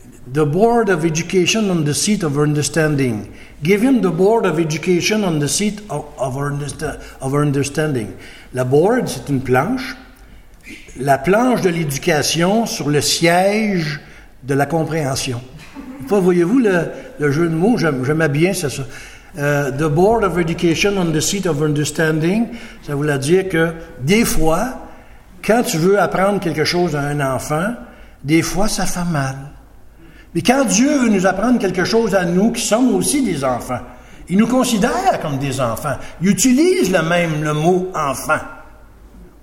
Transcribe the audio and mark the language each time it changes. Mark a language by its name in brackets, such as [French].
[English] The board of education on the seat of our understanding. Give him the board of education on the seat of our understanding. [French] La board, c'est une planche. La planche de l'éducation sur le siège de la compréhension. Pas, voyez-vous le jeu de mots? J'aime bien ça. [English] The board of education on the seat of our understanding. [French] Ça voulait dire que, des fois, quand tu veux apprendre quelque chose à un enfant, Des fois, ça fait mal. Mais quand Dieu veut nous apprendre quelque chose à nous qui sommes aussi des enfants, il nous considère comme des enfants. Il utilise le mot « enfant ».